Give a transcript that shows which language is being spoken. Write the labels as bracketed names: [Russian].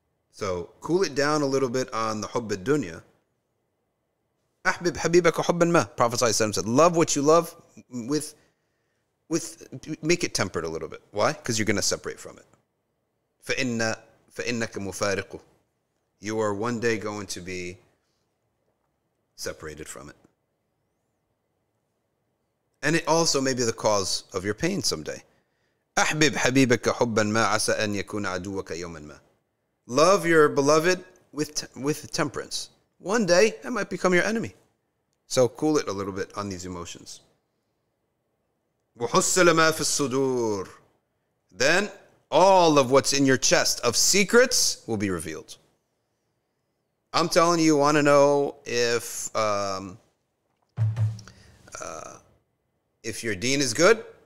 [English] So cool it down a little bit on the [Arabic] حُبِّ الدُّنْيَا. أَحْبِبْ حَبِيبَكَ حُبًّا مَا, [English] Prophet ﷺ said, love what you love with make it tempered a little bit. Why? Because you're going to separate from it. [Arabic] فَإِنَّكَ مُفَارِقُ, [English] you are one day going to be separated from it. And it also may be the cause of your pain someday. [Arabic] أَحْبِبْ حَبِيبَكَ حُبًّا مَا عَسَىٰ أَنْ يَكُونَ عَدُوَكَ يَوْمًا مَا, [English] love your beloved with temperance. One day, that might become your enemy. So cool it a little bit on these emotions. [Arabic] وَحُسَّلَ مَا فِي الصُّدُورِ, [English] then all of what's in your chest of secrets will be revealed. I'm telling you, want to know if your deen is good?